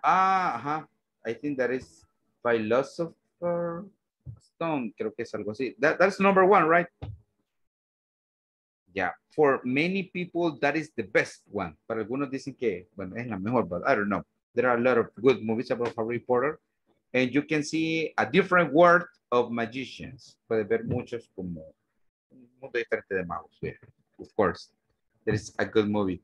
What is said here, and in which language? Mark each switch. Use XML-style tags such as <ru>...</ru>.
<en>I think that is Philosopher Stone.</en> <es>Creo que es algo así.</es> <en>That's number one, right? Yeah, for many people, that is the best one.</en> <es>Para algunos dicen que, bueno, es la mejor,</es> <en>but I don't know. There are a lot of good movies about Harry Potter. And you can see a different world of magicians.</en> <es>Puede ver muchos como un mundo diferente de magos.</es> <en>Yeah, of course, that is a good movie.</en>